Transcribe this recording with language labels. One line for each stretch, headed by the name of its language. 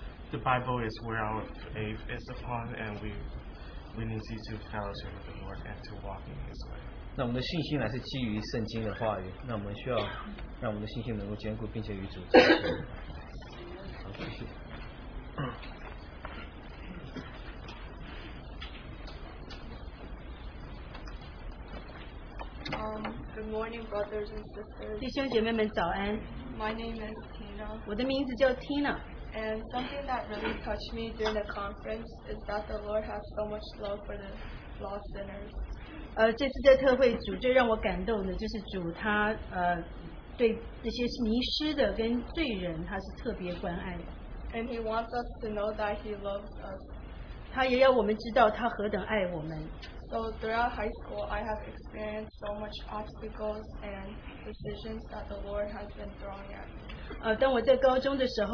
English: The Bible is where our faith is upon, and we need to do fellowship with the Lord and to walk in His way.
Chinese: 那我们的信心乃是基于圣经的话语，那我们需要让我们的信心能够坚固，并且与主同行。好，谢谢。
English: Good morning, brothers and sisters.
Chinese: 弟兄姐妹们，早安。
English: My name is Tina.
Chinese: 我的名字叫 Tina.
English: And something that really touched me during the conference is that the Lord has so much love for the lost sinners.
Chinese: 这次在特会组最让我感动的就是主他对这些迷失的跟罪人他是特别关爱的。
English: And He wants us to know that He loves us.
Chinese: 他也要我们知道他何等爱我们。
English: So throughout high school, I have experienced so much obstacles and decisions that the Lord has been throwing at me.